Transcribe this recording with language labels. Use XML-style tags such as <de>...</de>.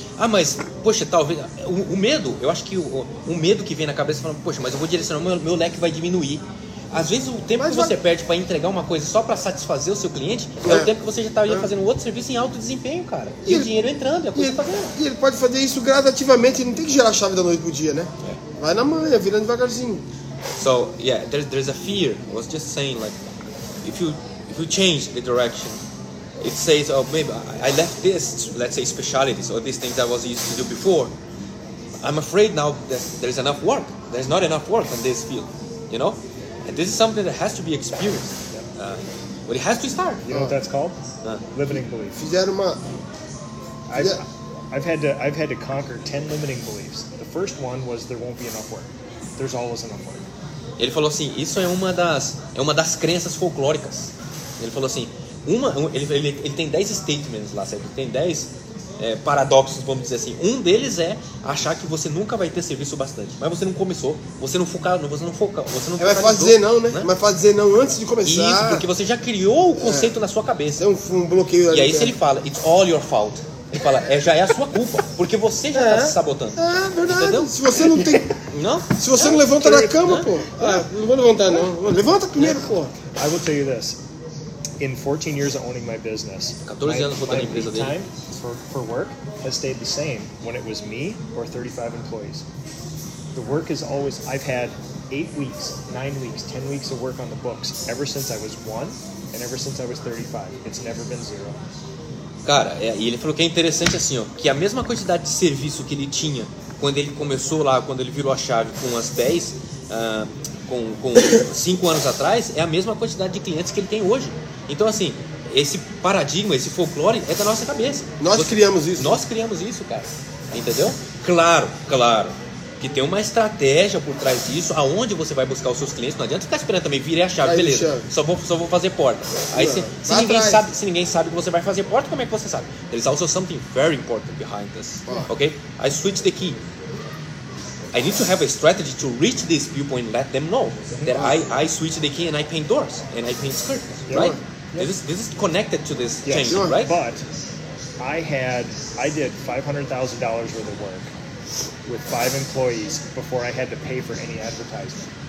<pt>Ah, mas, poxa, talvez... O medo, eu acho que o medo que vem na cabeça, falando, poxa, mas eu vou direcionar, meu leque vai diminuir. Às vezes o tempo que você perde para entregar uma coisa só para satisfazer o seu cliente é o tempo que você já estaria fazendo outro serviço em alto desempenho, cara. E o dinheiro entrando, é a coisa que fazendo. E ele pode fazer isso gradativamente, ele não tem que gerar a chave da noite pro dia, né? É. Vai na manhã, virando devagarzinho.</pt> <en>So, yeah, there's a fear. I was just saying, like, if you change the direction, it says, oh, maybe I left this, let's say, specialties or these things I was used to do before. I'm afraid now that there's enough work. There's not enough work in this field, you know? And this is something that has to be experienced. But it has to start. You know what that's called? Limiting beliefs. I've had to conquer 10 limiting beliefs. The first one was there won't be enough work. There's always enough work.</en> <pt>Ele falou assim, isso é uma das crenças folclóricas. Ele falou assim, ele tem 10 statements lá, certo? Ele tem 10 paradoxos, vamos dizer assim. Um deles é achar que você nunca vai ter serviço bastante. Mas você não começou, você não vai fazer não, né? Vai fazer não antes de começar. Isso, porque você já criou o conceito na sua cabeça. É um bloqueio ali. E aí se ele fala,</pt> <en>it's all your fault.</en> <pt>Ele fala, já é a sua culpa, porque você já tá se sabotando. É verdade. Entendeu? Se você não tem... Não? Se você não levanta na cama, pô. Não vou levantar não. Levanta primeiro, pô.</pt> <en>I will tell you this. In 14 years of owning my business,</en> <pt>14 anos rodando a empresa dele.</pt> <en>Time for work has stayed the same when it was me or 35 employees. The work is always, I've had 8 weeks, 9 weeks, 10 weeks of work on the books ever since I was 1 and ever since I was 35. It's never been zero.</en> <pt>Cara, e ele falou que é interessante assim, ó, que a mesma quantidade de serviço que ele tinha quando ele começou lá, quando ele virou a chave com as 10, com 5 anos atrás, é a mesma quantidade de clientes que ele tem hoje. Então, assim, esse paradigma, esse folclore é da nossa cabeça. Nós criamos isso, cara. Entendeu? Claro, claro. Que tem uma estratégia por trás disso, aonde você vai buscar os seus clientes. Não adianta ficar esperando também, virei a chave, aí, beleza. Só vou fazer porta. Aí, se ninguém sabe que você vai fazer porta, como é que você sabe?</pt> <en>There's also something very important behind this. Ok? I switch the key. I need to have a strategy to reach these people and let them know that I switch the key and I paint doors and I paint skirts, right? Yeah. This is connected to this change, right? But I did $500,000 worth of work with 5 employees before I had to pay for any advertisement.</en>